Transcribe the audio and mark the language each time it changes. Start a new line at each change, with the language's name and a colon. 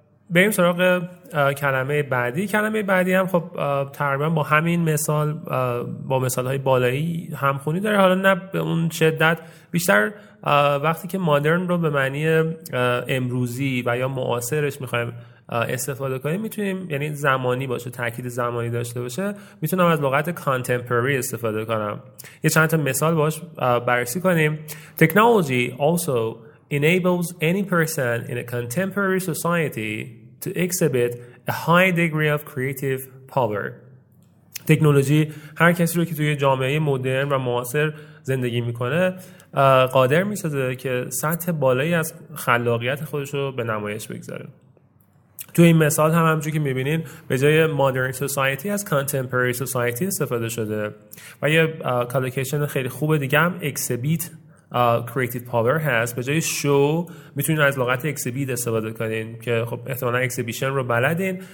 Persian: بریم سراغ کلمه بعدی. کلمه بعدی هم خب تقریبا با همین مثال، با مثال‌های بالایی همخونی داره، حالا نه به اون شدت، بیشتر وقتی که مدرن رو به معنی امروزی و یا معاصرش می‌خوایم استفاده کنیم، میتونیم یعنی زمانی باشه، تاکید زمانی داشته باشه، میتونم از لغت contemporary استفاده کنم. یه چند تا مثال باش بررسی کنیم.
English: Technology also enables any person in a contemporary society to exhibit a high degree of creative power.
Persian: تکنولوژی هر کسی رو که توی جامعه مدرن و معاصر زندگی میکنه قادر میسازه که سطح بالایی از خلاقیت خودش رو به نمایش بگذاره. توی این مثال هم همونجوری که میبینین به جای مدرن سوسایتی از contemporary سوسایتی استفاده شده و یه کالوکیشن خیلی خوب دیگه هم
English: exhibit creative power
Persian: هست. به جای شو میتونین از لغت exhibit استفاده کنین که خب احتمالا exhibition رو بلدین.